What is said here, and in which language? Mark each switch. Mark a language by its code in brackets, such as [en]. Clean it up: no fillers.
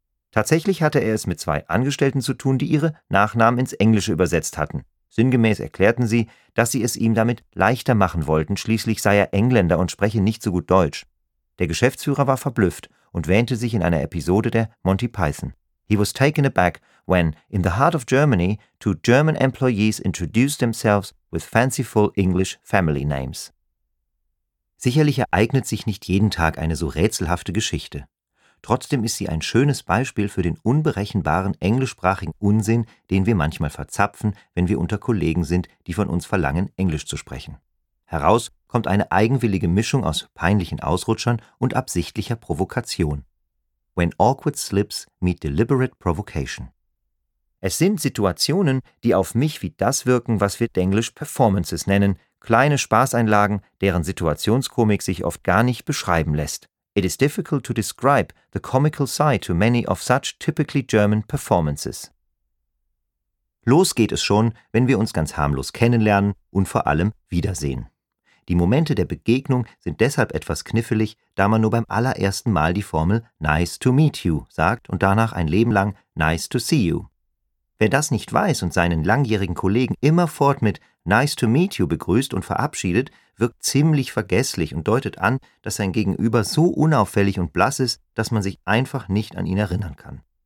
[de] Tatsächlich hatte er es mit zwei Angestellten zu tun, die ihre Nachnamen ins Englische übersetzt hatten. Sinngemäß erklärten sie, dass sie es ihm damit leichter machen wollten, schließlich sei er Engländer und spreche nicht so gut Deutsch. Der Geschäftsführer war verblüfft und wähnte sich in einer Episode der Monty Python. [en] He was taken aback when, in the heart of Germany, two German employees introduced themselves with fanciful English family names. [de] Sicherlich ereignet sich nicht jeden Tag eine so rätselhafte Geschichte. Trotzdem ist sie ein schönes Beispiel für den unberechenbaren englischsprachigen Unsinn, den wir manchmal verzapfen, wenn wir unter Kollegen sind, die von uns verlangen, Englisch zu sprechen. Heraus kommt eine eigenwillige Mischung aus peinlichen Ausrutschern und absichtlicher Provokation. [en] When awkward slips meet deliberate provocation. [de] Es sind Situationen, die auf mich wie das wirken, was wir Denglisch Performances nennen, kleine Spaßeinlagen, deren Situationskomik sich oft gar nicht beschreiben lässt. [en] It is difficult to describe the comical side to many of such typically German performances. [de] Los geht es schon, wenn wir uns ganz harmlos kennenlernen und vor allem wiedersehen. Die Momente der Begegnung sind deshalb etwas knifflig, da man nur beim allerersten Mal die Formel [en] nice to meet you [de] sagt und danach ein Leben lang [en] nice to see you. [de] Wer das nicht weiß und seinen langjährigen Kollegen immerfort mit [en] nice to meet you [de] begrüßt und verabschiedet, wirkt ziemlich vergesslich und deutet an, dass sein Gegenüber so unauffällig und blass ist, dass man sich einfach nicht an ihn erinnern kann.